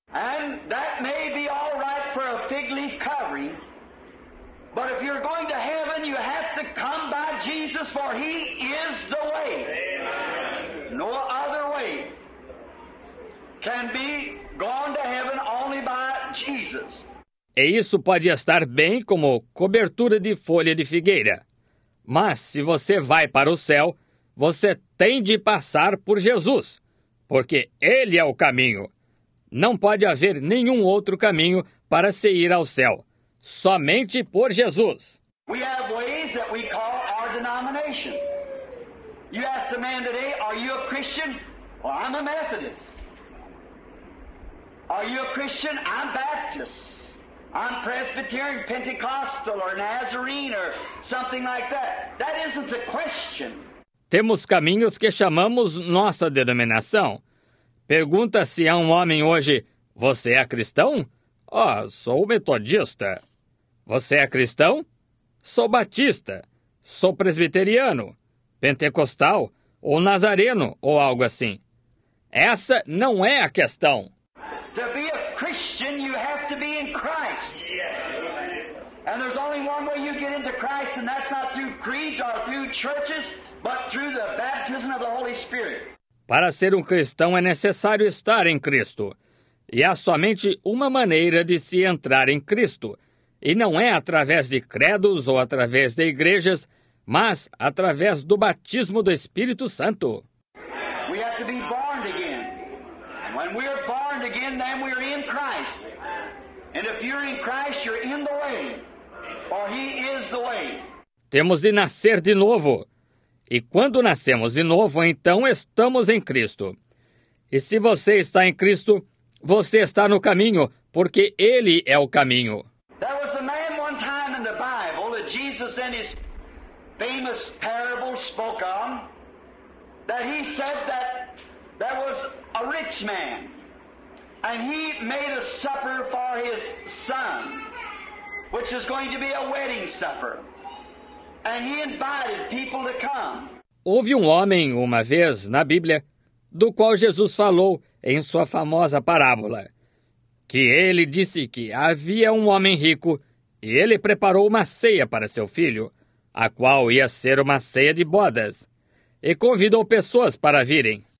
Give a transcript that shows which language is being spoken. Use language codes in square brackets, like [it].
[en] And that may be all right for a fig leaf covering, but if you're going to heaven, you have to come by Jesus, for he is the way. No other way can be gone to heaven only by Jesus. [pt] E isso pode estar bem como cobertura de folha de figueira. Mas se você vai para o céu, você tem de passar por Jesus, porque ele é o caminho. Não pode haver nenhum outro caminho para se ir ao céu. somente por Jesus. [en] We have ways that we call our denomination. You ask a man today, are you a Christian? Well, I'm a Methodist. Are you a Christian? I'm Baptist. I'm Presbyterian, Pentecostal, or Nazarene, or something like that. That isn't the question. [pt] Temos caminhos que chamamos nossa denominação. Pergunta-se a um homem hoje, você é cristão? Oh, sou metodista. Você é cristão? Sou batista. Sou presbiteriano, pentecostal ou nazareno ou algo assim. Essa não é a questão. [en] To be a Christian, you have to be in Christ. Yeah. And there's only one way you get into Christ, and that's not through creeds or through churches, but through the baptism of the Holy Spirit. [pt] Para ser um cristão é necessário estar em Cristo. E há somente uma maneira de se entrar em Cristo. E não é através de credos ou através de igrejas, mas através do batismo do Espírito Santo. [en] We have to be born again. When we are born again, then we are in Christ. And if you're in Christ, you're in the way. Or He is the way. [pt] Temos de nascer de novo. E quando nascemos de novo, então estamos em Cristo. E se você está em Cristo, você está no caminho, porque Ele é o caminho. [en] There was a man one time in the Bible that Jesus in his famous parable spoke on, that he said that there was a rich man, and he made a supper for his son, which was going to be a wedding supper. And he invited people to come. [pt] Houve um homem, uma vez, na Bíblia, do qual Jesus falou em sua famosa parábola, que ele disse que havia um homem rico e ele preparou uma ceia para seu filho, a qual ia ser uma ceia de bodas, e convidou pessoas para virem.